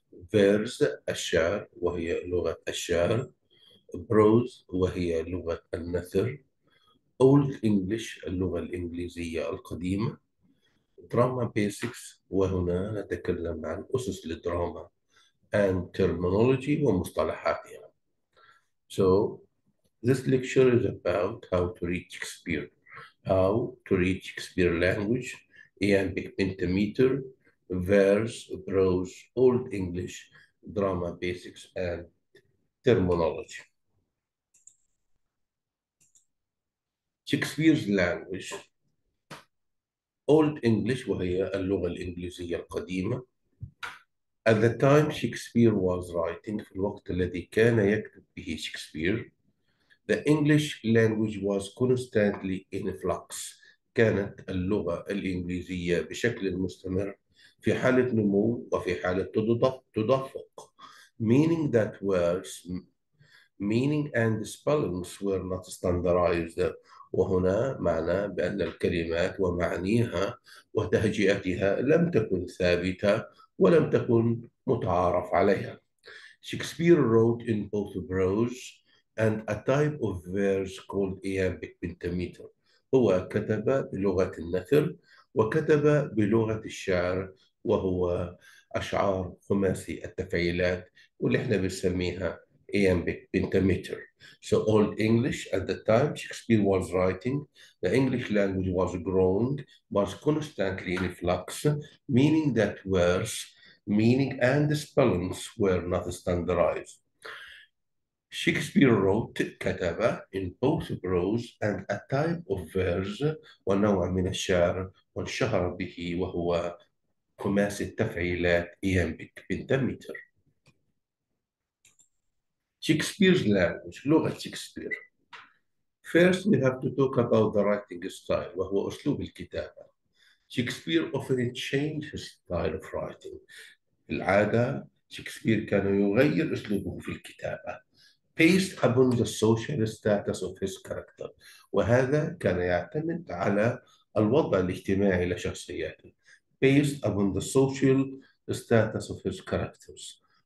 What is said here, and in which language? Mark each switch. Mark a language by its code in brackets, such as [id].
[ar] فيرز الشعر، وهي لغة الشعر. بروز، وهي لغة النثر. أولد إنجليش، اللغة الإنجليزية القديمة. دراما بيسكس، وهنا نتكلم عن أسس الدراما [en] and terminology [ar] ومصطلحاتها. [en] So this lecture is about how to read Shakespeare, how to read Shakespeare language, iambic pentameter, verse, prose, old English, drama basics and terminology. Shakespeare's language Old English [ar] وهي اللغة الإنجليزية القديمة. [en] At the time Shakespeare was writing [ar] في الوقت الذي كان يكتب به شكسبير. [en] The English language was constantly in flux. [ar] كانت اللغة الإنجليزية بشكل مستمر في حالة نمو وفي حالة تدفق. [en] Meaning that words, meaning and spellings were not standardized. [ar] وهنا معنى بأن الكلمات ومعانيها وتهجئتها لم تكن ثابتة ولم تكن متعارف عليها. [en] Shakespeare wrote in both prose and a type of verse called iambic pentameter. [ar] هو كتب بلغة النثر وكتب بلغة الشعر، وهو أشعار خماسي التفعيلات واللي احنا بنسميها iambic pentameter. [en] So old English at the time Shakespeare was writing, the English language was growing, was constantly in flux, meaning that words, meaning and spellings were not standardized. Shakespeare wrote كتب in both prose and a type of verse [ar] ونوع من الشعر وانشهر به وهو خماسي التفعيلات [en] iambic pentameter. Shakespeare's language, [ar] لغة شكسبير. [en] First, we have to talk about the writing style, [ar] وهو أسلوب الكتابة. [en] Shakespeare often changed his style of writing. [ar] بالعادة، شكسبير كان يغير أسلوبه في الكتابة. [en] Based upon the social status of his character. [ar] وهذا كان يعتمد على الوضع الاجتماعي لشخصياته. [en] Based upon the social status of his characters.